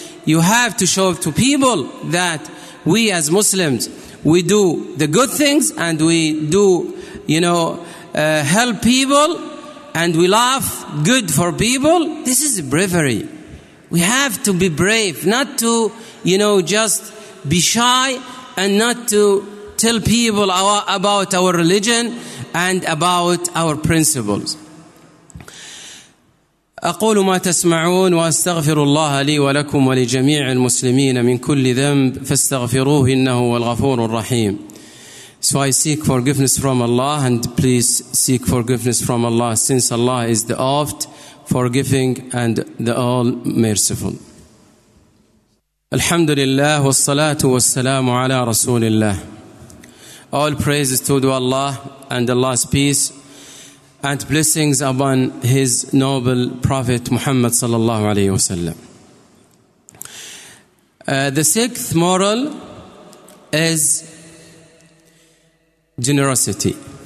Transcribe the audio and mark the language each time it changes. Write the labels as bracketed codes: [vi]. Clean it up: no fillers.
[en] You have to show to people that we as Muslims, we do the good things and we do, you know, help people and we love good for people. This is bravery. We have to be brave, not to, you know, just be shy and not to tell people about our religion and about our principles. [ar] أقول ما تسمعون وأستغفر الله لي ولكم ولجميع المسلمين من كل ذنب فاستغفروه إنه هو الغفور الرحيم. [en] So I seek forgiveness from Allah, and please seek forgiveness from Allah, since Allah is the oft forgiving and the all merciful. [ar] الحمد لله والصلاة والسلام على رسول الله. [en] All praises to Allah and Allah's peace and blessings upon his noble prophet Muhammad sallallahu alaihi wasallam. The sixth moral is generosity.